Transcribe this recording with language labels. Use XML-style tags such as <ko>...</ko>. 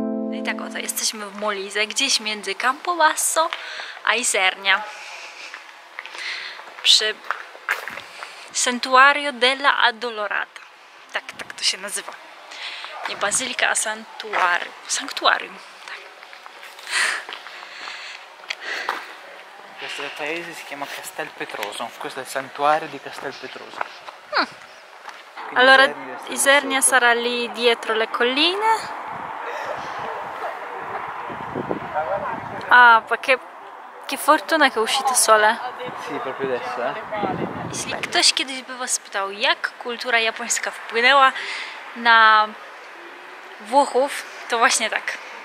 <pl>No i tak oto, jesteśmy w Molise, gdzieś między Campobasso a Isernia. Przy Santuario della Addolorata. Tak, tak to się nazywa. Nie bazylika, a santuarium. Sanktuarium, tak.</pl> <it>Questo paese si chiama Castel Petroso. Questo è il santuario di Castel Petroso. Allora, Isernia sarà lì dietro le colline. Ah, perché che fortuna che è uscito sole. Sì, proprio adesso, eh.</it> <pl>Sì, ktoś kiedyś by was pytał, jak kultura japońska wpłynęła na Włochów, to właśnie tak.</pl>